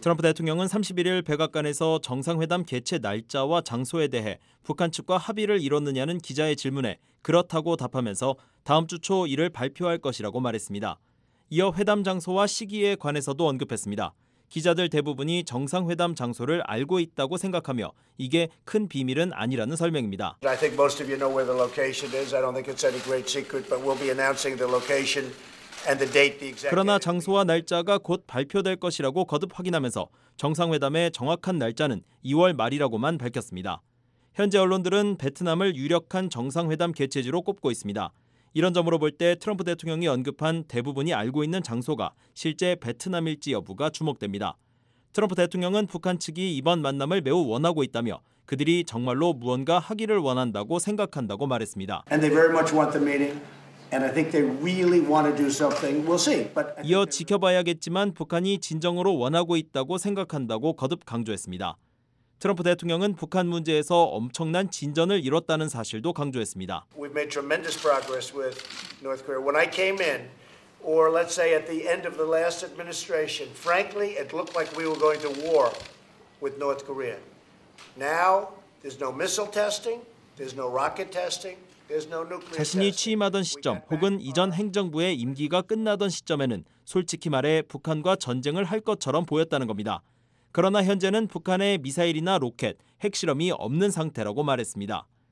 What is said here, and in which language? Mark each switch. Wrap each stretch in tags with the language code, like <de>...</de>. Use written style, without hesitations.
<ko>트럼프 대통령은 31일 백악관에서 정상회담 개최 날짜와 장소에 대해 북한 측과 합의를 이뤘느냐는 기자의 질문에 그렇다고 답하면서 다음 주 초 이를 발표할 것이라고 말했습니다. 이어 회담 장소와 시기에 관해서도 언급했습니다. 기자들 대부분이 정상회담 장소를 알고 있다고 생각하며 이게 큰 비밀은 아니라는 설명입니다.</ko> <en>I think most of you know where the location is. I don't think it's any great secret, but we'll be announcing the location.</en> <ko>그러나 장소와 날짜가 곧 발표될 것이라고 거듭 확인하면서 정상회담의 정확한 날짜는 2월 말이라고만 밝혔습니다. 현재 언론들은 베트남을 유력한 정상회담 개최지로 꼽고 있습니다. 이런 점으로 볼 때 트럼프 대통령이 언급한 대부분이 알고 있는 장소가 실제 베트남일지 여부가 주목됩니다. 트럼프 대통령은 북한 측이 이번 만남을 매우 원하고 있다며 그들이 정말로 무언가 하기를 원한다고 생각한다고 말했습니다.</ko> <en>And they very much want the meeting. And I think they really want to do something. We'll see. But</en> <ko>이어 지켜봐야겠지만 북한이 진정으로 원하고 있다고 생각한다고 거듭 강조했습니다. 트럼프 대통령은 북한 문제에서 엄청난 진전을 이뤘다는 사실도 강조했습니다.</ko> <en>We've made tremendous progress with North Korea. When I came in, or let's say at the end of the last administration, frankly, it looked like we were going to war with North Korea. Now, there's no missile testing. There's no rocket testing.</en> <ko>자신이 취임하던 시점 혹은 이전 행정부의 임기가 끝나던 시점에는 솔직히 말해 북한과 전쟁을 할 것처럼 보였다는 겁니다. 그러나 현재는 북한의 미사일이나 로켓, 핵실험이 없는 상태라고 말했습니다.</ko>